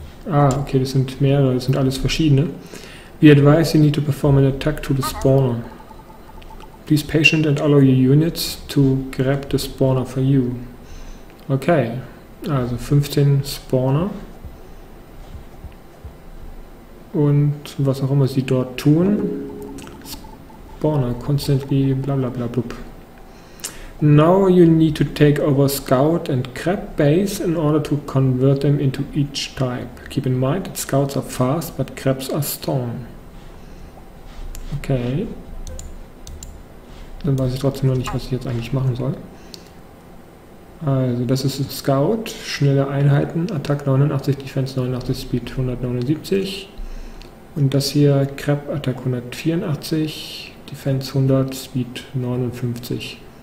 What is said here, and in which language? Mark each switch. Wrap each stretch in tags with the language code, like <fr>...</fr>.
<de>Ah, okay, das sind mehrere, das sind alles verschiedene.</de> <en>We advise you need to perform an attack to the spawner. Please patient and allow your units to grab the spawner for you.</en> <de>Okay, also 15 Spawner. Und was auch immer sie dort tun. Spawner, constantly bla bla bla blub.</de> <en>Now you need to take over scout and crab base in order to convert them into each type. Keep in mind that scouts are fast, but crabs are strong. Okay.</en> <de>Dann weiß ich trotzdem noch nicht, was ich jetzt eigentlich machen soll. Also das ist ein Scout. Schnelle Einheiten. Attack 89, Defense 89, Speed 179. Und das hier, Crab Attack 184, Defense 100, Speed 59.</de>